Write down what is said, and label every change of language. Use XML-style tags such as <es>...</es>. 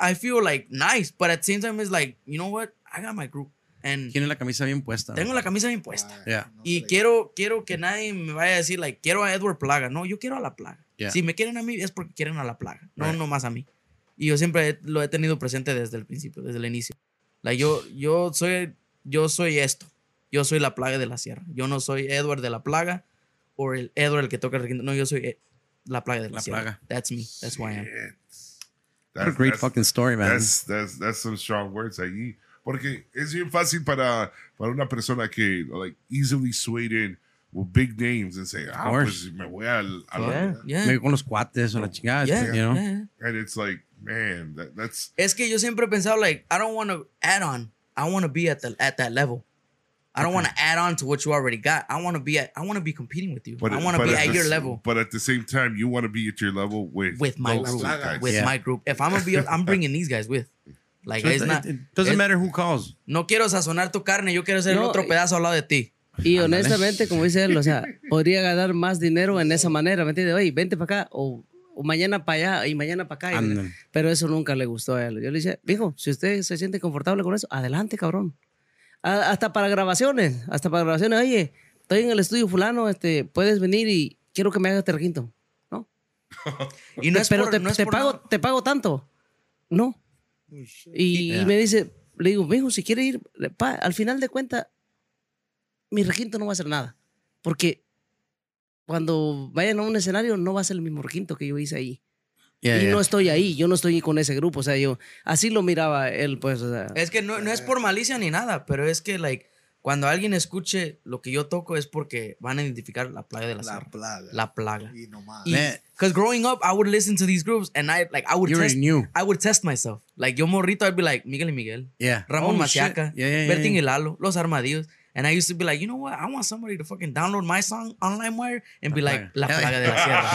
<en>I feel like nice, but at the same time it's like, you know what, I got my group.</en> <es>Tiene la camisa bien puesta. Tengo la camisa bien puesta.</es> <en>Yeah.</en> <es>Y quiero que nadie me vaya a decir, like, quiero a Edward Plaga. No, yo quiero a la Plaga.</es> <en>Yeah.</en> <es>Si me quieren a mí, es porque quieren a la Plaga. No, right. No más a mí. Y yo siempre lo he tenido presente desde el principio, desde el inicio. Like, yo soy esto. Yo soy la Plaga de la Sierra. Yo no soy Edward de la Plaga o el Edward el que toca el requinto. No, yo soy la Plaga de la Sierra.</es> <en>Plaga. That's me. That's who I am. That's a great fucking story, man. That's some strong words ahí.</en> <es>Porque es bien fácil para una persona que,</es> <en>like, easily swayed in with big names and say,</en> <es>ah, pues me voy me voy con los cuates o la chingada,</es> <en>you know? Yeah. And it's like, man, that's...</en> <es>Es que yo siempre he pensado,</es> <en>like, I don't want to add on. I want to be at that level. I don't want to add on to what you already got. I want to be competing with you. But I want to be at your level. But at the same time, you want to be at your level with my group. My group. If I'm going to be, I'm bringing these guys with. Like, so it doesn't matter who calls.</en> <es>No quiero sazonar tu carne, yo quiero ser otro pedazo al lado de ti. Y honestamente, como dice él, o sea, podría ganar más dinero en esa manera, ¿me entiendes? Oye, vente para acá, o mañana para allá, y mañana para acá. Pero eso nunca le gustó a él. Yo le dije, mijo, si usted se siente confortable con eso, adelante, cabrón. Hasta para grabaciones. Oye, estoy en el estudio fulano, puedes venir y quiero que me hagas este requinto. ¿No? Y no es pero por, te, no es te, pago, no. te pago tanto. No. Y, yeah. y me dice, le digo, mijo, si quiere ir, al final de cuentas, mi requinto no va a ser nada. Porque cuando vayan a un escenario, no va a ser el mismo requinto que yo hice ahí.</es> <en>Yeah,</en> <es>y</es> <en>yeah.</en> <es>no estoy ahí, yo no estoy con ese grupo. O sea, yo así lo miraba él, pues. O sea. Es que no es por malicia ni nada, pero es que, like, cuando alguien escuche lo que yo toco, es porque van a identificar la plaga de la sierra. La plaga. Y nomás.</es> <en>Because growing up, I would listen to these groups and I would test myself. Like,</en> <es>yo morrito,</es> <en>I'd be like, Miguel y Miguel. Yeah. Ramón Maciaca. Yeah, yeah, Bertín yeah. y Lalo. Los Armadillos. And I used to be like, you know what? I want somebody to fucking download my song on LimeWire and be like, La Plaga de la Sierra.</en>